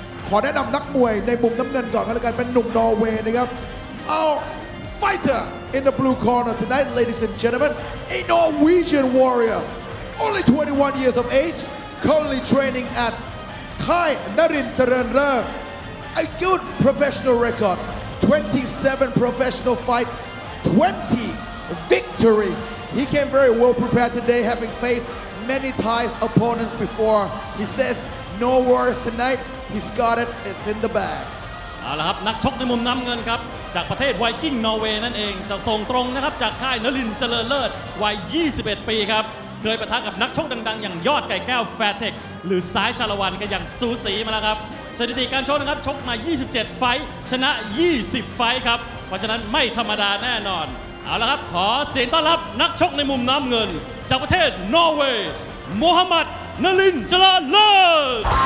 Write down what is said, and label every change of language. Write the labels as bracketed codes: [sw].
[th] ขอแนะนำนักมวยในมุมน้ำเงินก่อนกันแล้วกันเป็นหนุ่มนอร์เวย์นะครับ [en] Our fighter in the blue corner tonight, ladies and gentlemen, a Norwegian warrior, only 21 years of age, currently training at Kai Narin Terenre, a good professional record, 27 professional fights, 20 victories. He came very well prepared today, having faced many Thai opponents before. He says, no worries tonight, he's got it, it's in the bag. [th] เอาละครับนักชกในมุมน้ำเงินครับจากประเทศไวกิ้งนอร์เวย์นั่นเองจะส่งตรงนะครับจากค่ายนรินทร์เจริญเลิศวัย21ปีครับเคยปะทะกับนักชกดังๆอย่างยอดไก่แก้วแฟร์เท็กซ์หรือสายชาละวันกันอย่างสูสีมาแล้วครับสถิติการชกนะครับชกมา27ไฟชนะ20ไฟครับเพราะฉะนั้นไม่ธรรมดาแน่นอนเอาละครับขอเสียงต้อนรับนักชกในมุมน้ำเงินจากประเทศนอร์เวย์มูฮัมหมัดนลินจราเลิศ